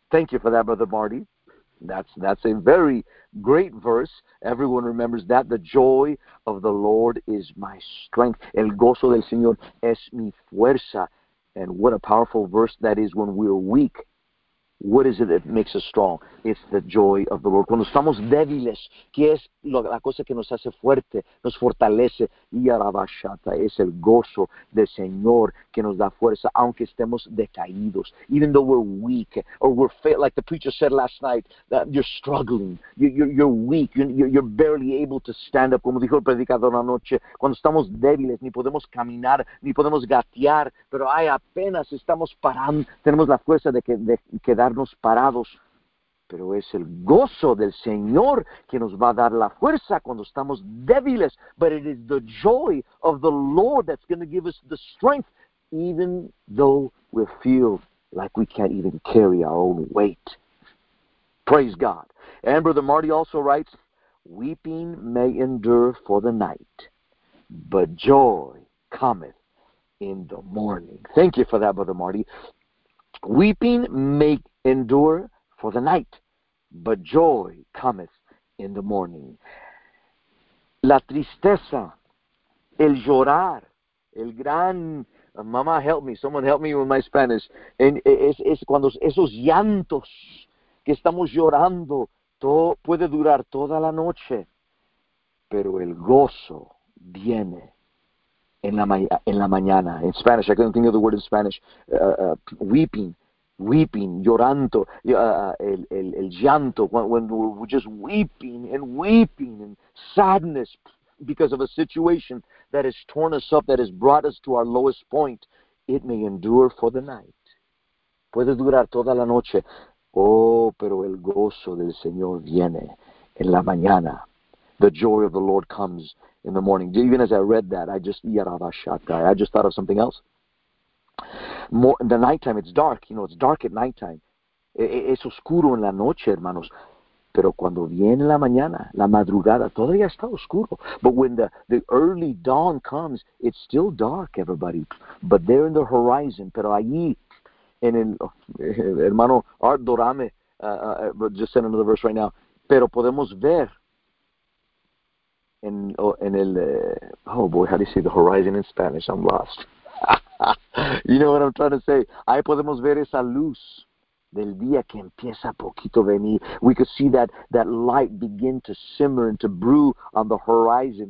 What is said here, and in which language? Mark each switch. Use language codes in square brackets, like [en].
[en] Thank you for that, Brother Marty. That's a very great verse. Everyone remembers that. The joy of the Lord is my strength. [es] El gozo del Señor es mi fuerza. [en] And what a powerful verse that is when we're weak. What is it that makes us strong? It's the joy of the Lord. [es] Cuando estamos débiles, ¿qué es la cosa que nos hace fuerte, nos fortalece? Y Yarabashata, es el gozo del Señor que nos da fuerza, aunque estemos decaídos. [en] Even though we're weak, or we're failed, like the preacher said last night, that you're struggling, you're weak, you're barely able to stand up, [es] como dijo el predicador anoche. Cuando estamos débiles, ni podemos caminar, ni podemos gatear, pero ay, apenas estamos parando, tenemos la fuerza de quedarnos parados, pero es el gozo del Señor que nos va a dar la fuerza cuando estamos débiles. [en] But it is the joy of the Lord that's going to give us the strength, even though we feel like we can't even carry our own weight. Praise God. And Brother Marty also writes, "Weeping may endure for the night, but joy cometh in the morning." Thank you for that, Brother Marty. Weeping may endure for the night, but joy cometh in the morning. [es] la tristeza, el llorar, el gran, [en] mama help me, someone help me with my Spanish, [es] es cuando esos llantos que estamos llorando, puede durar toda la noche, pero el gozo viene en la mañana. [en] In Spanish, I couldn't think of the word in Spanish, weeping, [es] llorando, el llanto, [en] when we're just weeping, and sadness because of a situation that has torn us up, that has brought us to our lowest point, it may endure for the night. [es] Puede durar toda la noche. Oh, pero el gozo del Señor viene en la mañana. [en] The joy of the Lord comes in the morning. Even as I read that, I just thought of something else. In the nighttime, it's dark. You know, it's dark at nighttime. [es] Es oscuro en la noche, hermanos. Pero cuando viene la mañana, la madrugada, todavía está oscuro. [en] But when the early dawn comes, it's still dark, everybody. But there in the horizon, [es] pero allí, en el, [en] hermano Art Dorame, just sent another verse right now. [es] Pero podemos ver [en] the horizon in Spanish? I'm lost. You know what I'm trying to say? [es] Ahí podemos ver esa luz del día que empieza poquito venir. [en] We could see that light begin to simmer and to brew on the horizon.